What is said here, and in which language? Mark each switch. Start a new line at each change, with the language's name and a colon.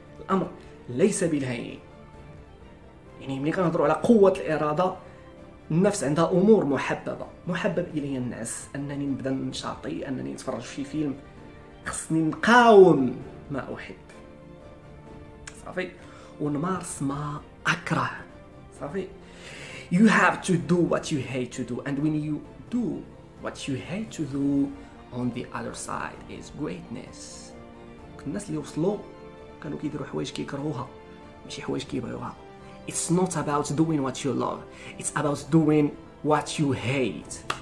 Arabic: الامر ليس بالهين. يعني ملي كنهضروا على قوه الاراده، النفس عندها امور محببه، محبب الي النعس، انني نبدا نشاطي، انني نتفرج في فيلم، خصني نقاوم ما احب صافي، ونمارس ما اكره صافي.
English: You have to do what you hate to do, and when you do what you hate to do, on the other side is greatness.
Arabic: الناس اللي وصلوا كانوا كيديروا حوايج كيكرهوها ماشي حوايج كيبغيوها.
English: It's not about doing what you love, it's about doing what you hate.